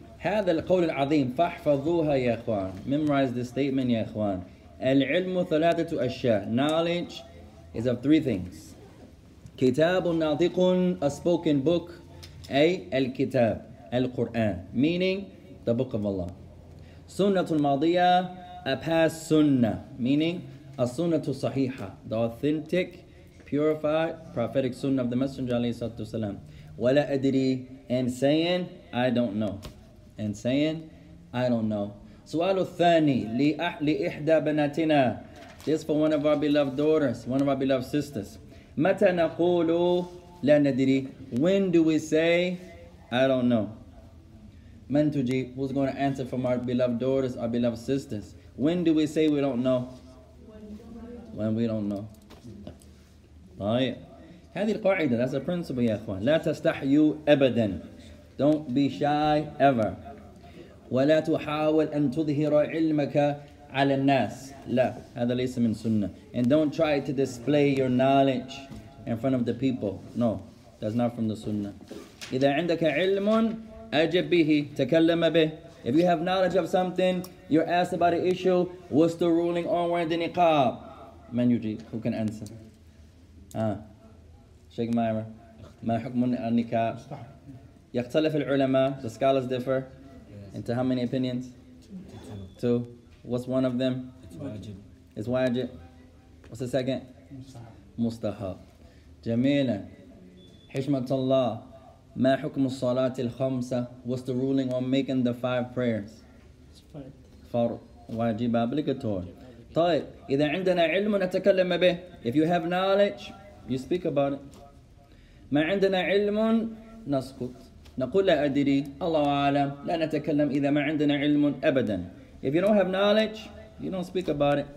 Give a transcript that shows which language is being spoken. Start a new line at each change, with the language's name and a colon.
Arabic: هذا القول العظيم فاحفظوها يا اخوان.
English: Memorize this statement,
Arabic: يا اخوان.
English: العلم ثلاثة أشياء. Knowledge is of three things.
Arabic: كتاب ناطق,
English: a spoken book,
Arabic: أي الكتاب القرآن,
English: meaning the book of Allah.
Arabic: سنة الماضية,
English: a past sunnah, meaning a sunnah صحيحة, the authentic, purified, prophetic sunnah of the Messenger
Arabic: عليه الصلاة والسلام. ولا أدري,
English: and saying, I don't know, and saying, I don't know.
Arabic: سؤال الثاني لإحدى بناتنا,
English: this for one of our beloved daughters, one of our beloved sisters.
Arabic: متى نقول لا ندري,
English: when do we say, I don't know.
Arabic: من تجيب,
English: who's going to answer from our beloved daughters, our beloved sisters? When do we say we don't know? When we don't know.
Arabic: طيب. هذه القاعدة,
English: that's a principle,
Arabic: يا إخوان. لا تستحيوا أبداً.
English: Don't be shy ever.
Arabic: ولا تحاول أن تظهر علمك على الناس. لا هذا ليس من سنة.
English: And don't try to display your knowledge in front of the people. No, that's not from the sunnah.
Arabic: إذا عندك علم أجب به تكلم به.
English: If you have knowledge of something, you're asked about an issue, what's the ruling on wearing the niqab?
Arabic: من يجيب?
English: Who can answer? Sheikh Maimer.
Arabic: ما حكم النكاب? يختلف العلماء.
English: The scholars differ. Into how many opinions? Two. Two. What's one of them? It's wajib. It's wajib. What's the second? Mustahab.
Arabic: جميلة. حشمة الله. ما حكم الصلاة الخمسة?
English: What's the ruling on making the five prayers? It's
Arabic: فرض. واجب obligatory. طيب. إذا عندنا علم نتكلم به.
English: If you have knowledge, you speak about it.
Arabic: ما عندنا علم نسكت. نقول لا أدري الله أعلم لا نتكلم إذا ما عندنا علم أبدا.
English: If you don't have knowledge, you don't speak about it.